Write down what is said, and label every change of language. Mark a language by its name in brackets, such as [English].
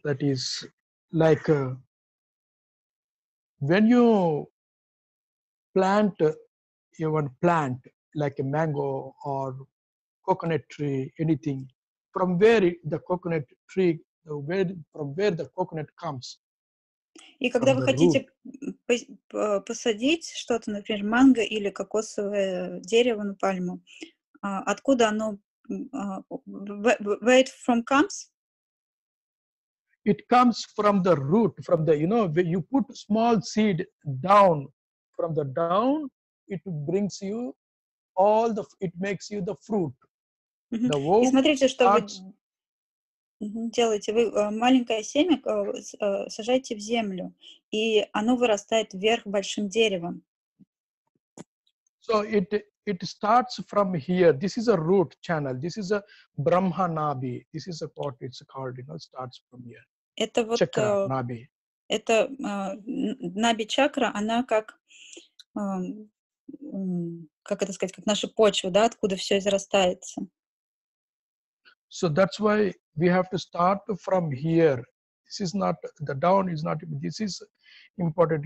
[English] That is like when you plant even plant like a mango or coconut tree, anything, from where the coconut tree, from where the coconut comes. [Russian] И когда вы хотите посадить что-то, например, манго или кокосовое дерево, ну, пальму, откуда оно, [English] where it from comes? It comes from the root, from the, you know, you put small seed down, from the down, it brings you all the, it makes you the fruit. [Russian] И смотрите, что вы делаете. Вы маленькое семя сажаете в землю, и оно вырастает вверх большим деревом. [English] So it starts from here. This is a root channel. This is a Brahma Nabi. This is what it's called. You know, starts from here. [Russian] Это вот чакра, Nabi. Это Nabi чакра. Она как как это сказать, как наша почва, да, откуда все израстается. [English] So that's why we have to start from here. This is not, the down is not, this is important.